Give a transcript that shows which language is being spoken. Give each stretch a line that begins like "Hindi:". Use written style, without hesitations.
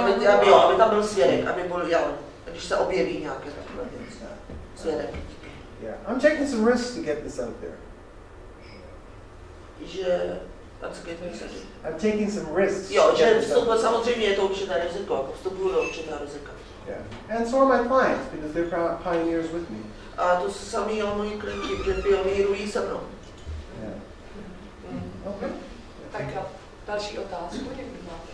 Czech: Aby tam byl svědek, aby byl, když se objeví nějaké takové věci. Svědek.
English: Yeah, I'm taking some risks to get this out there.
Czech: Že...
English: I'm taking some risks.
Czech: Jo, že vstupuje, samozřejmě je to určitá riziko, jako vstupuju do určitá rizika.
English: Yeah. And so are my clients, because they're pioneers with me.
Czech: A to sami jo, moji klienti, že pionírují se mnou.
English: Yeah. Mm-hmm. Okay.
Czech: Tak další otázku, děkujeme.